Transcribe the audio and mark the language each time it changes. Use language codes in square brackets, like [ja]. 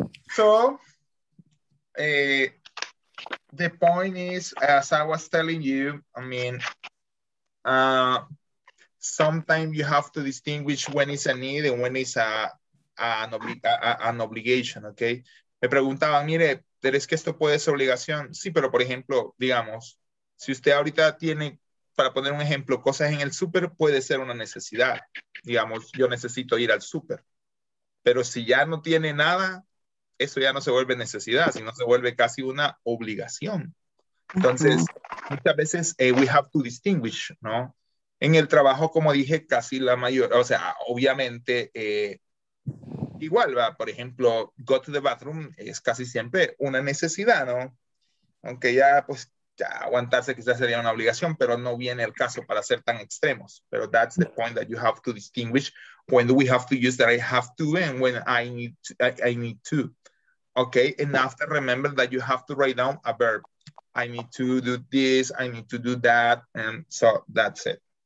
[en] So, the point is, as I was telling you, I mean, sometimes you have to distinguish when it's a need and when it's an obligation, okay? [es] Me preguntaban, mire, ¿crees que esto puede ser obligación? Sí, pero por ejemplo, digamos, si usted ahorita tiene, para poner un ejemplo, cosas en el súper, puede ser una necesidad. Digamos, yo necesito ir al súper. Pero si ya no tiene nada, eso ya no se vuelve necesidad, sino se vuelve casi una obligación. Entonces, muchas veces [en] we have to distinguish, [es] ¿no? En el trabajo, como dije, casi la mayor, o sea, obviamente, igual, ¿va? Por ejemplo, [en] go to the bathroom [es] es casi siempre una necesidad, ¿no? Aunque ya, pues, ya aguantarse quizás sería una obligación, pero no viene el caso para ser tan extremos. Pero [en] that's the point that you have to distinguish when we have to use that I have to and when I need to. Okay, and after, remember that you have to write down a verb. I need to do this, I need to do that, and so that's it.